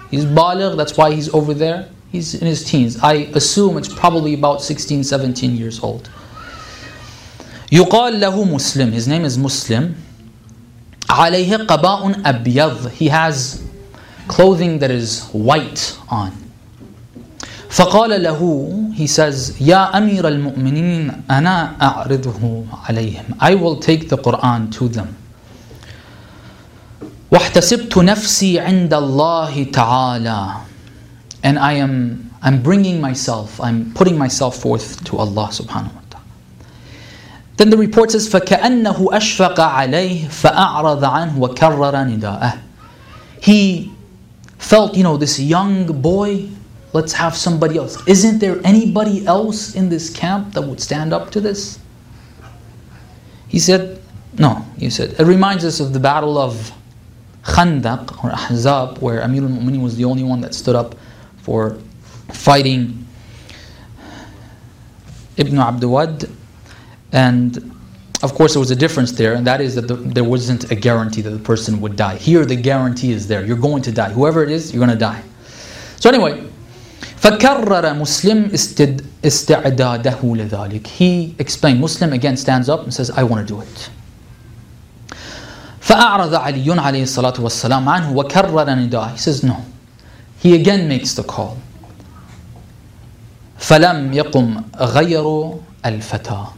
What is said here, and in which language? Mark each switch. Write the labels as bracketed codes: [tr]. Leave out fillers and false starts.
[en] He's baligh, that's why he's over there. He's in his teens. I assume it's probably about 16, 17 years old. [ar] Yuqal lahu Muslim. [en] His name is Muslim. [ar] Alayhi qaba'un abyad. [en] He has clothing that is white on. [ar] فقال له, [en] he says, [ar] يا أمير المؤمنين أنا أعرضه عليهم. [en] I will take the Quran to them. [ar] واحتسبت نفسي عند الله تعالى. [en] And I'm bringing myself, I'm putting myself forth to Allah subhanahu wa ta'ala. Then the report says, [ar] فكأنه أشفق عليه فأعرض عنه وكرر نداءه. [en] He felt, you know, this young boy, let's have somebody else. Isn't there anybody else in this camp that would stand up to this? He said, no. He said, it reminds us of the battle of Khandaq or Ahzab, where Amir al-Mu'mineen was the only one that stood up for fighting Ibn Abdawad. And of course there was a difference there, and that is that there wasn't a guarantee that the person would die. Here the guarantee is there. You're going to die. Whoever it is, you're going to die. So anyway, [ar] فَكَرَّرَ مُسْلِمْ إِسْتِعْدَادَهُ لِذَلِكَ. [en] He explained, Muslim again stands up and says, I want to do it. [ar] فَأَعْرَضَ عَلِيٌّ عَلَيْهِ الصَّلَاةُ وَالسَّلَامُ عَنْهُ وَكَرَّرَ نِدَاءَ. [en] He says, no. He again makes the call. [ar] فَلَمْ يَقُمْ غَيْرُ الْفَتَى.